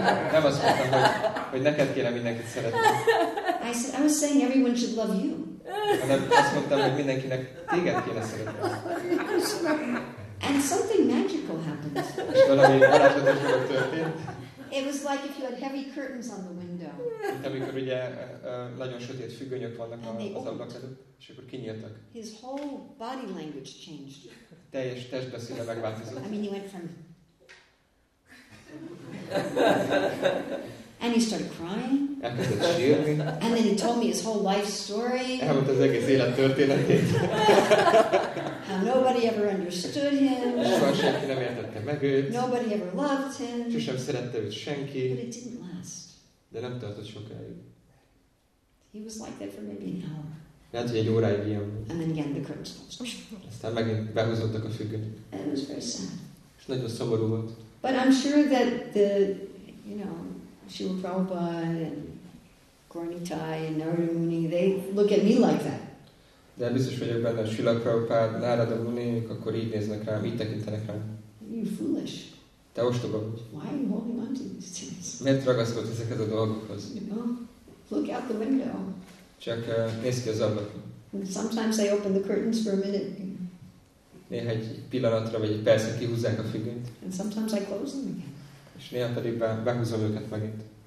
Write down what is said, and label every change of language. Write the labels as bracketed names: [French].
[Hungarian] Nem azt mondtam, hogy neked kéne mindenkit szeretni. [English] I said, I was saying everyone should love you. [Hungarian] Hanem azt mondtam, hogy mindenkinek téged kéne szeretni. [English] And something magical happened. [Hungarian] És valami varázslatos dolog történt. [English] It was like if you had heavy curtains on the window. [Hungarian] Itt, amikor ugye nagyon sötét függönyök vannak az ablak előtt, és akkor kinyíltak. [English] His whole body language changed. [Hungarian] Teljes testbeszéde megváltozott. [English] I mean, he went from... And he started crying. [Hungarian] Elkezdett sírni. [English] And then he told me his whole life story. [Hungarian] Elmondt az egész élet történetét. [English] How nobody ever understood him. [Hungarian] Soha senki nem értette meg őt. [English] Nobody ever loved him. [Hungarian] Sosem szerette őt senki. [English] But it didn't last. [Hungarian] De nem tartott sokáig. [English] He was like that for maybe an hour. [Hungarian] Lehet, hogy egy óráig ilyen. [English] And then again the curtains closed. [Hungarian] Aztán megint behúzottak a függönyt. [English] And it was very sad. [Hungarian] És nagyon szomorú volt. [English] But I'm sure that the, you know, Srila Prabhupada and Gornitai and Narada Muni, they look at me like that. [Hungarian] De biztos vagyok benne, hogy Srila Prabhupada, Narada Muni, akkor így néznek rám, így tekintenek rám. [English] You foolish. [Hungarian] Te ostoba vagy. [English] Why are you holding on to these things? [Hungarian] Miért ragaszkod ezeket a dolgokhoz? [English] You know, look out the window. [Hungarian] Csak nézz ki az ablakon. [English] Sometimes they open the curtains for a minute. [Hungarian] Néha egy pillanatra vagy egy percet kihúzzák a függönyt. [English] And sometimes I close them again. [Hungarian] És néha pedig behúzom őket megint.